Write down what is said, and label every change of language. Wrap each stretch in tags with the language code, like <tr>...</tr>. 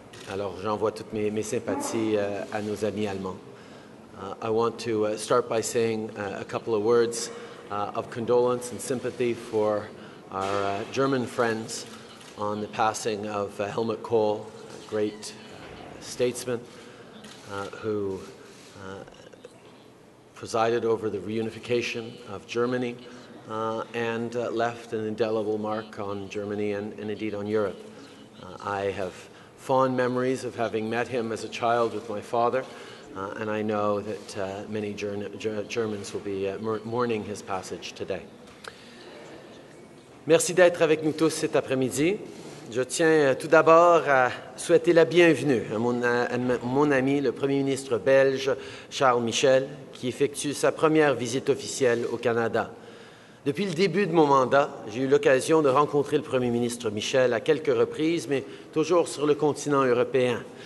<fr>Alors, j'envoie toutes mes sympathies à nos amis allemands.</fr> <en>I want to start by saying a couple of words of condolence and sympathy for our German friends on the passing of Helmut Kohl, a great statesman who presided over the reunification of Germany and left an indelible mark on Germany and indeed on Europe. I have fond memories of having met him as a child with my father, and I know that many Germans will be mourning his passage today.</en> <fr>Merci d'être avec nous tous cet après-midi. Je tiens tout d'abord à souhaiter la bienvenue à mon ami, le Premier ministre belge, Charles Michel, qui effectue sa première visite officielle au Canada. Depuis le début de mon mandat, j'ai eu l'occasion de rencontrer le Premier ministre Michel à quelques reprises, mais toujours sur le continent européen.</fr>